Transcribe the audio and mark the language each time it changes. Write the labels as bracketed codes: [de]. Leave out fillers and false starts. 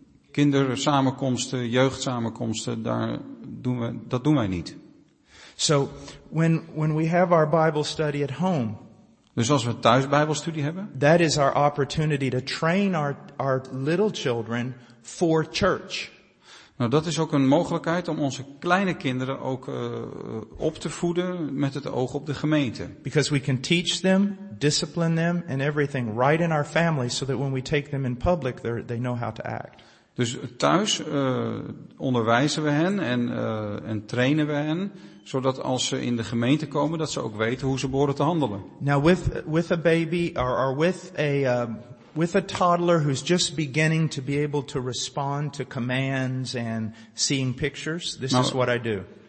[nl] Kindersamenkomsten, jeugdsamenkomsten, dat doen wij niet. [en] So when we have our Bible study at home. [nl] Dus als we thuis Bijbelstudie hebben. [en] That is our opportunity to train our little children for church. [nl] Nou, dat is ook een mogelijkheid om onze kleine kinderen ook op te voeden met het oog op de gemeente. [en] Because we can teach them, discipline them and everything right in our family so that when we take them in public they know how to act. [nl] Dus thuis onderwijzen we hen en trainen we hen, zodat als ze in de gemeente komen, dat ze ook weten hoe ze behoren te handelen. [en] Now with a baby or with a toddler who's just beginning to be able to respond to commands and seeing pictures, this is what I do.